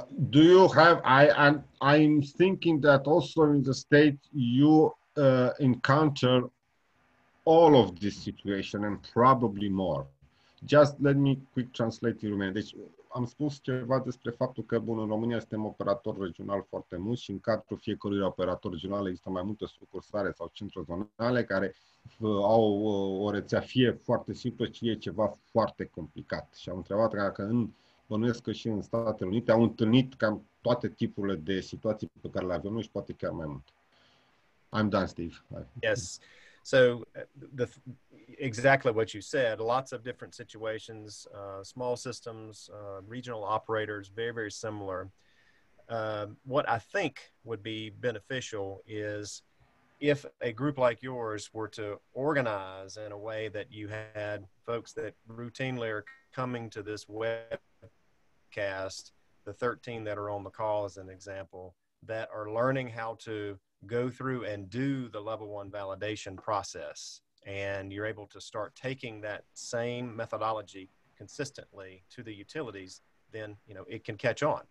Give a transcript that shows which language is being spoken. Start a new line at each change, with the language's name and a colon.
English: Do you have, I'm thinking that also in the state you encounter all of this situation and probably more. Just let me quick translate in Romanian.
Romanian: Deci am spus ceva despre faptul că, bun, în România suntem operator regional foarte mult și în cadrul fiecărui operator regional există mai multe sucursare sau centre zonale care au o rețea fie foarte simplă, fie ceva foarte complicat. Și am întrebat dacă bănuiesc că și în Statele Unite au întâlnit cam toate tipurile de situații pe care le avem noi și poate chiar mai mult.
English: I'm done, Steve. Yes. So exactly what you said, lots of different situations, small systems, regional operators, very, very similar. What I think would be beneficial is if a group like yours were to organize in a way that you had folks that routinely are coming to this webcast, the 13 that are on the call as an example, that are learning how to go through and do the level one validation process, and you're able to start taking that same methodology consistently to the utilities, then, you know, it can catch on.